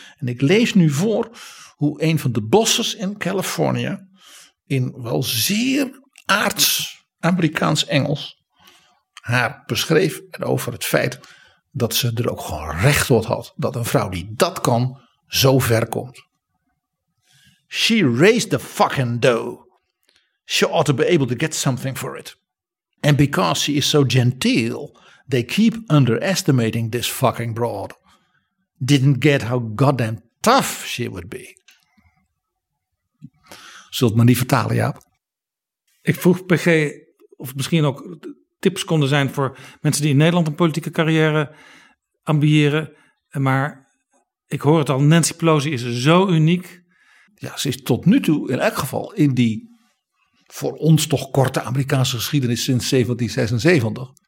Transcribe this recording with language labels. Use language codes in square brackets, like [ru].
[nl] En ik lees nu voor hoe een van de bosses in Californië in wel zeer aards Amerikaans Engels haar beschreef en over het feit dat ze er ook gewoon recht op had dat een vrouw die dat kan zo ver komt. [en] She raised the fucking dough. She ought to be able to get something for it. And because she is so genteel, they keep underestimating this fucking broad. Didn't get how goddamn tough she would be. [nl] Zult me niet vertalen, Jaap? Ik vroeg PG of misschien ook tips konden zijn voor mensen die in Nederland een politieke carrière ambiëren. Maar ik hoor het al, Nancy Pelosi is zo uniek. Ja, ze is tot nu toe in elk geval in die voor ons toch korte Amerikaanse geschiedenis sinds 1776.